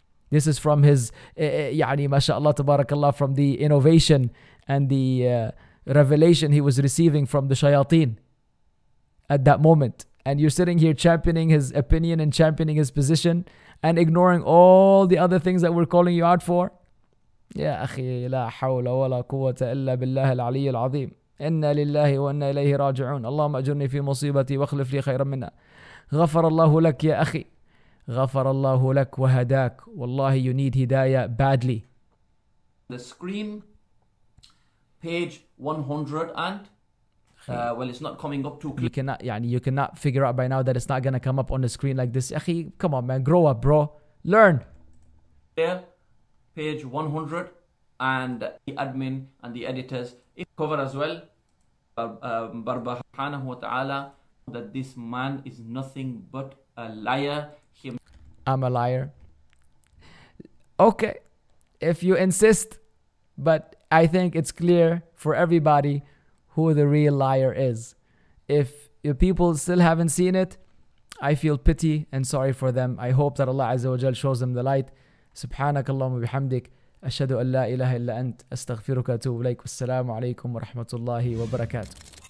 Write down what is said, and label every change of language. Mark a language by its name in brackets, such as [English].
[English] This is from his, [Arabic] يعني ما شاء الله تبارك الله, [English] from the innovation and the revelation he was receiving from the shayateen at that moment. And you're sitting here championing his opinion and championing his position and ignoring all the other things that we're calling you out for. [Arabic] يا أخي لا حول ولا قوة إلا بالله العلي العظيم إنا لله وإنا إليه راجعون اللهم أجرني في مصيبتي واخلف لي خيرا منها غفر الله لك يا أخي غفر الله لك وهداك والله [English] you need [Arabic] هداية badly. [English] The screen page 100 and well, it's not coming up too clear. You cannot figure out by now that it's not gonna come up on the screen like this. أخي come on man, grow up bro, learn. Yeah. Page 100 and the admin and the editors cover as well. Barba subhanahu wa ta'ala, that this man is nothing but a liar. I'm a liar. Okay, if you insist, but I think it's clear for everybody who the real liar is. If your people still haven't seen it, I feel pity and sorry for them. I hope that Allah Azza wa Jal shows them the light. [Arabic] سبحانك اللهم وبحمدك أشهد أن لا إله إلا أنت أستغفرك وأتوب إليك والسلام عليكم ورحمة الله وبركاته